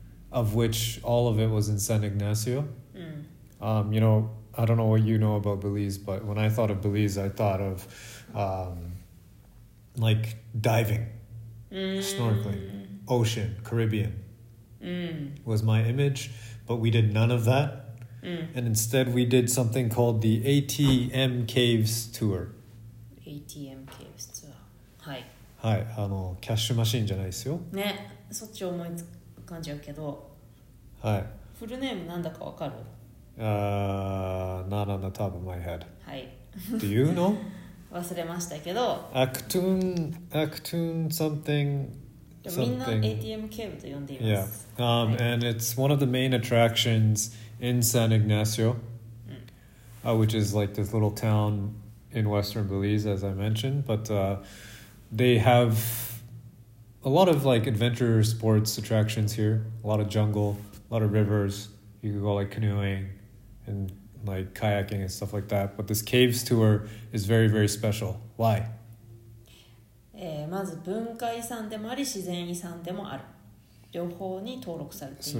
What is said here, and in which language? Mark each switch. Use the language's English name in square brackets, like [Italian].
[English] Of which all of it was in San Ignacio.、you know, I don't know what you know about Belize, but when I thought of Belize, I thought of、like diving,、snorkeling, ocean, Caribbean、was my image, but we did none of that.、And instead, we did something called the ATM Caves Tour. ATM Caves Tour. Hi. [Japanese] はい、あのキャッシュマシーンじゃないですよね。そっち思いつく感じやけど、はい、フルネームなんだかわかる？ [English] Not on the top of my head。 [Japanese] はい、 [English] Do you know？ [Japanese] 忘れましたけど、アクトゥーン、アクトゥーン something、みんな ATM ケーブルと呼んでいます。 [English] Yeah. And it's one of the main attractions in San Ignacio、which is like this little town in western Belize, as I mentioned. But、they have a lot of like adventure sports attractions here. A lot of jungle, a lot of rivers. You can go like canoeing and like kayaking and stuff like that. But this caves tour is very, very special. Why? [Japanese] まず文化遺産でもあり自然遺産でもある、両方に登録されている。